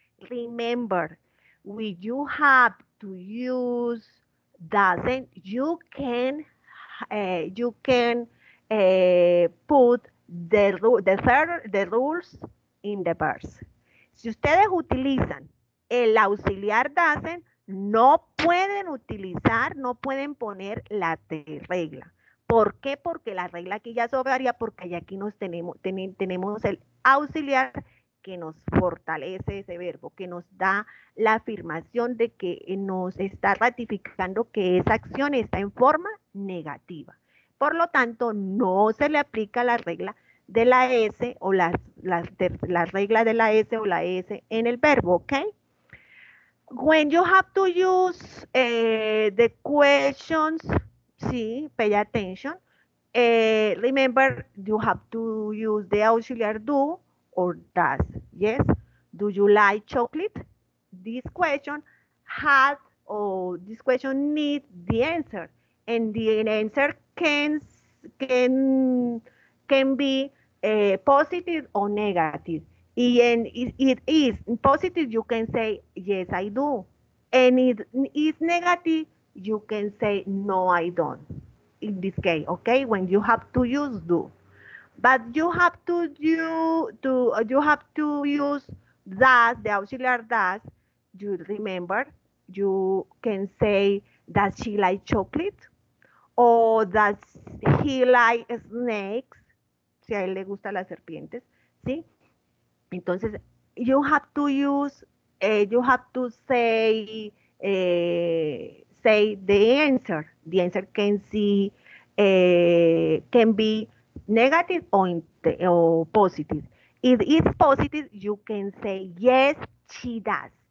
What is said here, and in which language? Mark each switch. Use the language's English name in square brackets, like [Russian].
[English] Remember, when you have to use doesn't, you can put the rules in the verse. [Spanish] Si ustedes utilizan el auxiliar doesn't, No pueden utilizar, no pueden poner la de regla. ¿Por qué? Porque la regla aquí ya sobraría, porque ya aquí nos tenemos el auxiliar que nos fortalece ese verbo, que nos da la afirmación de que nos está ratificando que esa acción está en forma negativa. Por lo tanto, no se le aplica la regla de la S o la regla de la S o la S en el verbo, ¿ok? [English] When you have to use the questions, sí, pay attention. Remember, you have to use the auxiliar do or does. Yes. Do you like chocolate? This question has or this question needs the answer. And the answer can be positive or negative. And it is positive, you can say, yes, I do. And it is negative, you can say, no, I don't. In this case, okay, when you have to use do. But you have to use does, the auxiliar does. You remember, you can say, does she like chocolate? Or does he like snakes? [Spanish] Si a él le gustan las serpientes, ¿sí? [English] Entonces, you have to use, you have to say, say the answer. The answer can be negative or positive. If it's positive, you can say, yes, she does.